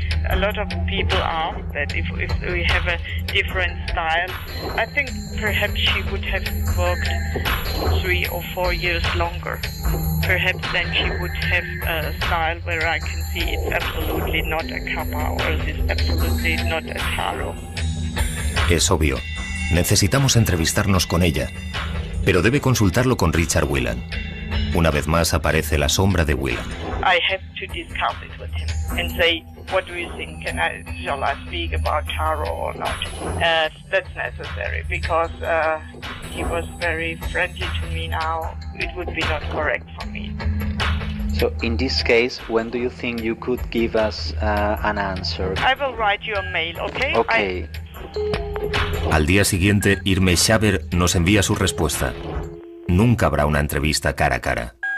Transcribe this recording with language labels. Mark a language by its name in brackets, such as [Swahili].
[English] A lot of people ask that if we have a different style. I think perhaps she would have worked 3 or 4 years longer. Perhaps then she would have a style where I can see it's absolutely not a Capa or it's absolutely not a Taro. [Spanish] Es obvio. Necesitamos entrevistarnos con ella, pero debe consultarlo con Richard Whelan. Una vez más aparece la sombra de Whelan. [English] I have to discuss it with him and say, what do you think? Can I, shall I speak about Taro or not? That's necessary because he was very friendly to me now. It would be not correct for me. So in this case, when do you think you could give us an answer? I will write you a mail, okay? Okay. [Spanish] Al día siguiente, Irme Schaber nos envía su respuesta. Nunca habrá una entrevista cara a cara.